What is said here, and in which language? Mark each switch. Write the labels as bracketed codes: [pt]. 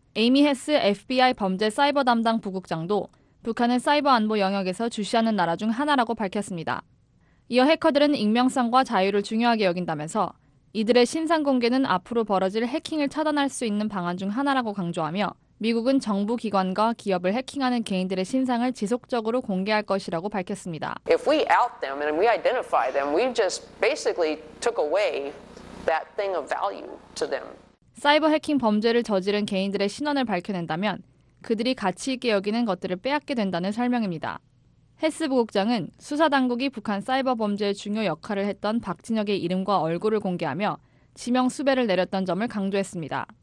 [ko] 에이미 헤스 FBI 범죄 사이버 담당 부국장도 북한은 사이버 안보 영역에서 주시하는 나라 중 하나라고 밝혔습니다. 이어 해커들은 익명성과 자유를 중요하게 여긴다면서 이들의 신상 공개는 앞으로 벌어질 해킹을 차단할 수 있는 방안 중 하나라고 강조하며 미국은 정부 기관과 기업을 해킹하는 개인들의 신상을 지속적으로 공개할 것이라고 밝혔습니다. [en] If we out them and we identify them, we just basically took away that thing of value to them. [ko] 사이버 해킹 범죄를 저지른 개인들의 신원을 밝혀낸다면 그들이 가치 있게 여기는 것들을 빼앗게 된다는 설명입니다. 헤스 부국장은 수사 당국이 북한 사이버 범죄의 중요 역할을 했던 박진혁의 이름과 얼굴을 공개하며 지명 수배를 내렸던 점을 강조했습니다.